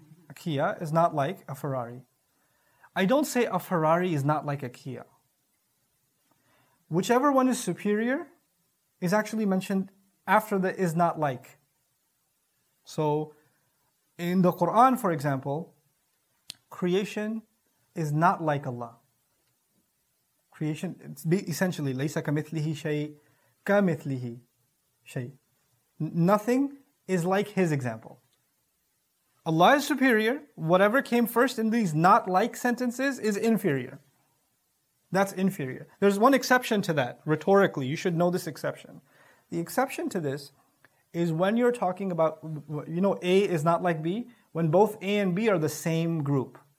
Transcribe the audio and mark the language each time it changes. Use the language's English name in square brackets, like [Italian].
[English] A Kia is not like a Ferrari. I don't say a Ferrari is not like a Kia. Whichever one is superior is actually mentioned after the is not like. So in the Quran, for example, creation is not like Allah. Creation, it's essentially, [Arabic] لَيْسَ كَمِثْلِهِ شَيْءٍ كَمِثْلِهِ شَيْءٍ. [English] Nothing is like his example. Allah is superior. Whatever came first in these not like sentences is inferior. That's inferior. There's one exception to that, rhetorically. You should know this exception. The exception to this is when you're talking about, you know, A is not like B, when both A and B are the same group.